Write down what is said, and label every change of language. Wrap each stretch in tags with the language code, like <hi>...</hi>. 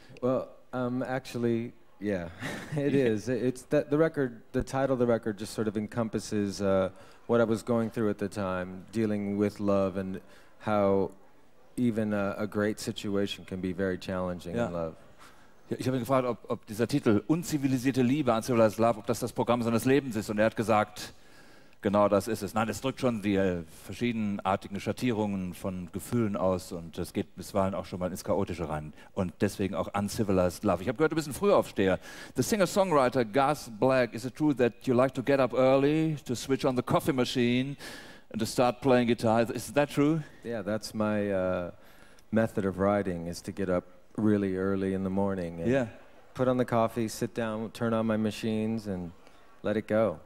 <en>Well, actually, yeah, it is. It's that the record, the title of the record just sort of encompasses what I was going through at the time, dealing with love and how even a great situation can be very challenging in love.</en> <de>Ich habe ihn gefragt, ob dieser Titel Unzivilisierte Liebe, Uncivilized Love, ob das Programm seines Lebens ist. Und er hat gesagt, genau das ist es. Nein, es drückt schon die verschiedenartigen Schattierungen von Gefühlen aus und es geht bisweilen auch schon mal ins Chaotische rein. Und deswegen auch Uncivilized Love. Ich habe gehört, du bist ein Frühaufsteher.</de> <en>The singer-songwriter Gus Black, is it true that you like to get up early, to switch on the coffee machine and to start playing guitar? Is that true? Yeah, that's my method of writing, is to get up really early in the morning and yeah, put on the coffee, sit down, turn on my machines and let it go.</en>